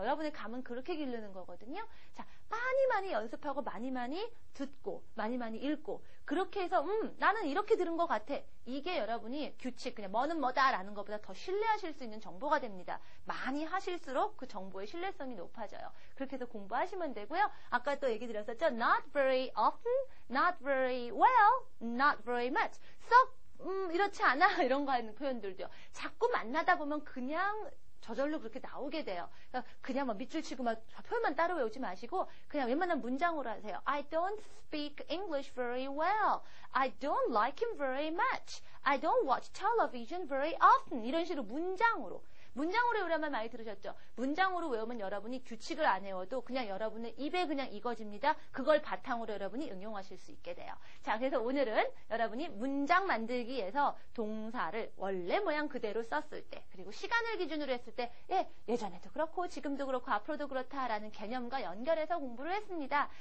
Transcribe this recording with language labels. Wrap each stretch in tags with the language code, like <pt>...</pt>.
<ko>여러분의 감은 그렇게 기르는 거거든요. 자, 많이 많이 연습하고 많이 많이 듣고 많이 많이 읽고 그렇게 해서 나는 이렇게 들은 것 같아. 이게 여러분이 규칙 그냥 뭐는 뭐다라는 것보다 더 신뢰하실 수 있는 정보가 됩니다. 많이 하실수록 그 정보의 신뢰성이 높아져요. 그렇게 해서 공부하시면 되고요. 아까 또 얘기 드렸었죠.</ko> <en>Not very often, not very well, not very much.</en> <ko>썩 이렇지 않아 이런 거 하는 표현들도요. 자꾸 만나다 보면 그냥 저절로 그렇게 나오게 돼요. 그냥 막 밑줄 치고 막 표현만 따로 외우지 마시고 그냥 웬만한 문장으로 하세요.</ko> <en>I don't speak English very well. I don't like him very much. I don't watch television very often.</en> <ko>이런 식으로 문장으로. 문장으로 외우라면 많이 들으셨죠? 문장으로 외우면 여러분이 규칙을 안 외워도 그냥 여러분의 입에 그냥 익어집니다. 그걸 바탕으로 여러분이 응용하실 수 있게 돼요. 자, 그래서 오늘은 여러분이 문장 만들기에서 동사를 원래 모양 그대로 썼을 때 그리고 시간을 기준으로 했을 때 예, 예전에도 그렇고 지금도 그렇고 앞으로도 그렇다라는 개념과 연결해서 공부를 했습니다.</ko>